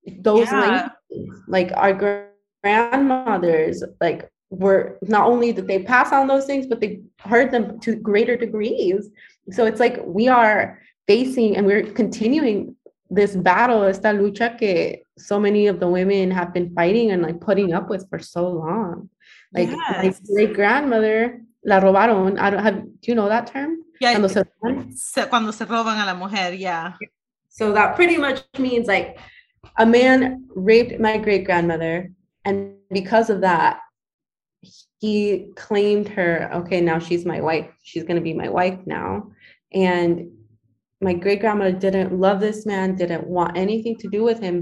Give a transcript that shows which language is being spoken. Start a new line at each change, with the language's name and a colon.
English: Those languages, like our grandmothers, like, were not only did they pass on those things, but they heard them to greater degrees. So it's like we are facing, and we're continuing this battle, esta lucha que so many of the women have been fighting and like putting up with for so long. Like, yes. My great grandmother,
Spanish: la robaron.
English: Do you know that term? Yeah.
Spanish: Cuando se roban a la mujer, yeah.
English: So that pretty much means like a man raped my great grandmother, and because of that, he claimed her. Okay, now she's my wife. She's going to be my wife now. And my great grandmother didn't love this man, didn't want anything to do with him.